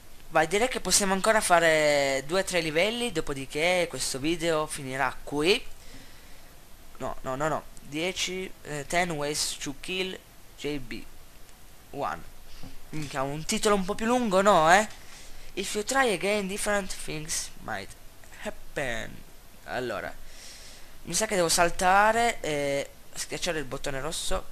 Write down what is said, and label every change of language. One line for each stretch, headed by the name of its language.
Italian: Vai, direi che possiamo ancora fare 2 o 3 livelli, dopodiché questo video finirà qui. No, no, no, no.
English: 10, 10 ways to kill JB1.
Italian: Minchia, un titolo un po' più lungo, no, eh?
English: If you try again, different things might happen.
Italian: Allora, mi sa che devo saltare e schiacciare il bottone rosso.